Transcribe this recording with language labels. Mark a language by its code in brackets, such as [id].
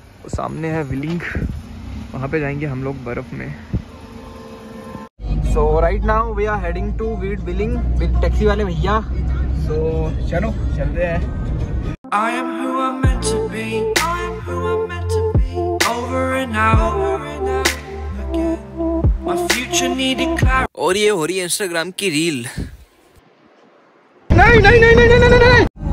[hi] सामने है विलिंग, वहाँ पे जाएंगे हम लोग बर्फ में। [en] So right now we are heading to weed willing with taxi वाले भैया। [hi] सो चलो चलते हैं। [en] I am who I'm meant to be. I am who I'm meant to be. Over and out. Again. My future needing clarity. [hi] और ये हो रही है इंस्टाग्राम की रील। नहीं नहीं नहीं नहीं नहीं नहीं नहीं